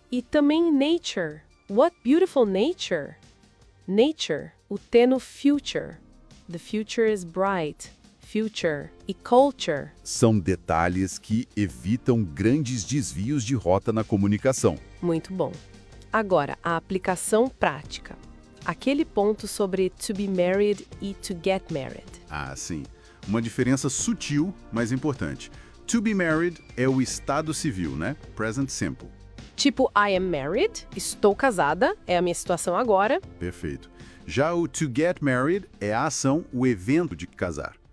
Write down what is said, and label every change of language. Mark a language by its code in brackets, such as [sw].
[en] E também nature. What beautiful nature. Nature. [pt] O T no [en] future. The future is bright. Future. E culture. [pt] São detalhes que evitam grandes desvios de rota na comunicação. Muito bom. Agora, a aplicação prática. Aquele ponto sobre to be married e to get married. Ah, sim. Uma diferença sutil, mas importante. To be married é o estado civil, né? Present simple. Tipo, [en] I am married, [pt] estou casada, é a minha situação agora. Perfeito. Já o to get married é a ação, o evento de casar.